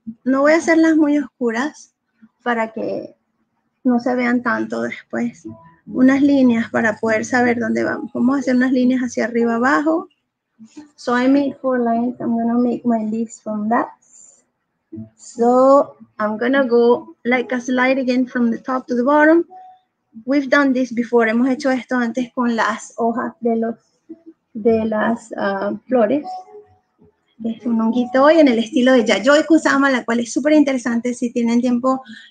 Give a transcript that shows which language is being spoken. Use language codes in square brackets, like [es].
[es] No voy a hacerlas muy oscuras para que no se vean tanto después. Unas líneas para poder saber dónde vamos. Vamos a hacer unas líneas hacia arriba, abajo. [en] So I made four lines. I'm going to make my leaves from that. So I'm going to go like a slide again from the top to the bottom. We've done this before. [es] Hemos hecho esto antes con las hojas de, las flores. Es un honguito hoy en el estilo de Yayoi Kusama, la cual es súper interesante si tienen tiempo.